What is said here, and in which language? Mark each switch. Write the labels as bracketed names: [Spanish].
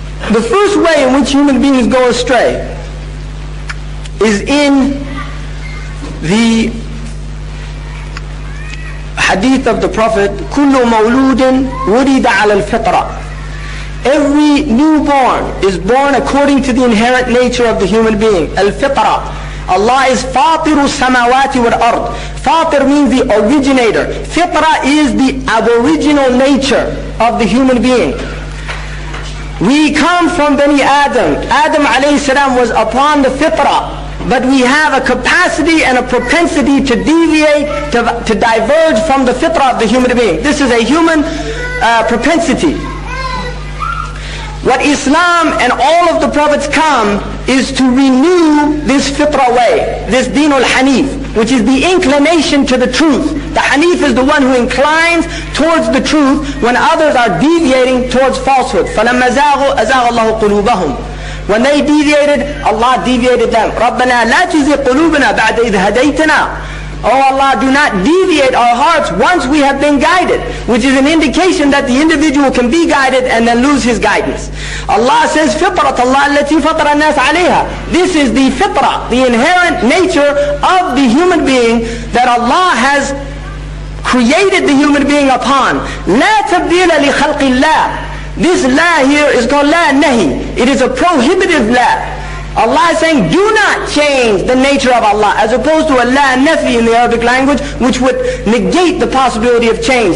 [English] The first way in which human beings go astray is in the hadith of the Prophet, [Arabic] كل مولود ولد على الفطرة. [English] Every newborn is born according to the inherent nature of the human being. [Arabic] الفطرة. [English] Allah is [Arabic] فاطر السماوات والأرض. [English] فاطر means the originator. فطرة is the aboriginal nature of the human being. We come from Bani Adam. Adam alayhi salam was upon the fitrah. But we have a capacity and a propensity to deviate, to diverge from the fitrah of the human being. This is a human propensity. What Islam and all of the prophets come is to renew this fitrah way, this Deenul Hanif, which is the inclination to the truth. The Hanif is the one who inclines towards the truth when others are deviating towards falsehood. [Arabic] فَلَمَّ زَاغُوا أَزَاغَ اللَّهُ قُلُوبَهُمْ. [English] When they deviated, Allah deviated them. [Arabic] رَبَّنَا لَا تُزِغْ قُلُوبَنَا بَعْدَ إِذْ هَدَيْتَنَا. [English] Oh Allah, do not deviate our hearts once we have been guided, which is an indication that the individual can be guided and then lose his guidance. Allah says, [Arabic] فِطْرَةَ اللَّهِ الَّتِي فَطْرَ النَّاسَ عَلَيْهَا. [English] This is the fitrah, the inherent nature of the human being that Allah has created the human being upon. [Arabic] لَا تَبْدِيلَ لِخَلْقِ اللَّهِ. [English] This la here is called la nahi. It is a prohibitive la. Allah is saying, do not change the nature of Allah, as opposed to a la nafi in the Arabic language, which would negate the possibility of change.